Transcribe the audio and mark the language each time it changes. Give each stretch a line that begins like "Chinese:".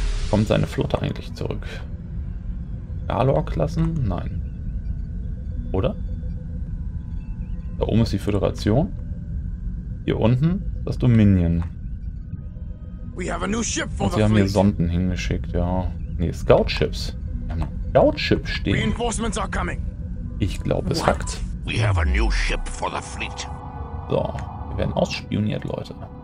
German: Kommt seine Flotte eigentlich zurück? Galor-Klassen? Nein. Oder? Da oben ist die Föderation. Hier unten das Dominion. Und sie haben hier Sonden hingeschickt, ja. Nee, Scout-Ships. Wir haben Scout-Ships stehen.
English: Reinforcements are coming.
German: Ich glaube, es hackt.
English: We have a new ship for the fleet.
German: So, wir werden ausspioniert, Leute.